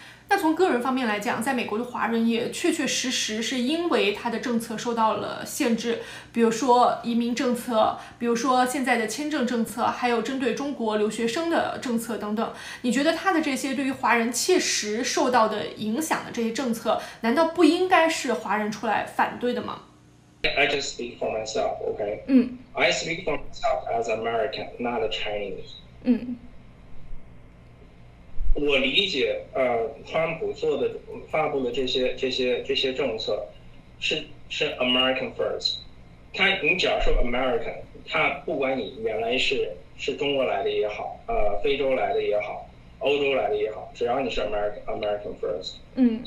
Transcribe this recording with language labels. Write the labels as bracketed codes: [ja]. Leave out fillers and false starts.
[zh] 那从个人方面来讲，在美国的华人也确确实实是因为他的政策受到了限制，比如说移民政策，比如说现在的签证政策，还有针对中国留学生的政策等等。你觉得他的这些对于华人切实受到的影响的这些政策，难道不应该是华人出来反对的吗？ [en] I just speak for myself, okay? I speak for myself as American, not Chinese. [zh] 我理解，川普做的发布的这些政策是 [en] American first。 [zh] 他，你只要说 American， 他不管你原来是中国来的也好，非洲来的也好，欧洲来的也好，只要你是 American first。